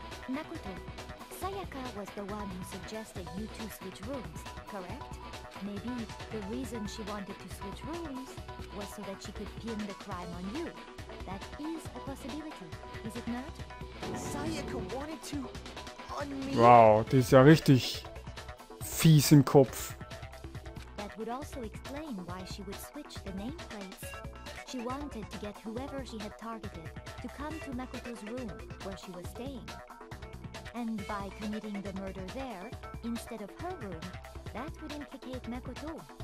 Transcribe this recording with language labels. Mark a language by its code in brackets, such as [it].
[en] Nakoto, Sayaka was the one who suggested you two switch rooms, correct? Maybe the reason she wanted to switch rooms was so that she could pin the crime on you. That is a possibility, is it not? [de] Wow, die ist ja richtig fies im Kopf. [en] That would also explain why she would switch the nameplates. She wanted to get whoever she had targeted to come to Makoto's room where she was staying. And by committing the murder there instead of her room, that would implicate Makoto.